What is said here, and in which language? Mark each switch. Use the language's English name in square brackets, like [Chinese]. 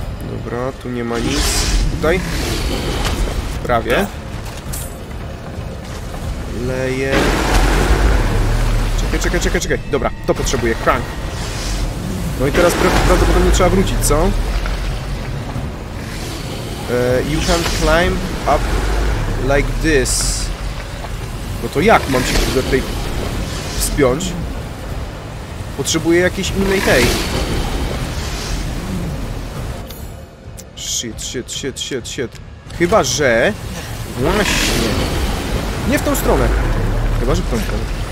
[Polish] Dobra, tu nie ma nic. Tutaj? Prawie. Leje. Czekaj. Dobra, to potrzebuje. Crank. No i teraz prawdopodobnie trzeba wrócić, co? [English] You can climb up like this. [Polish] No to jak mam się tutaj tej wspiąć? Potrzebuję jakiejś innej tej. Shit. Chyba, że... Właśnie. Nie w tą stronę. Chyba, że w tą stronę.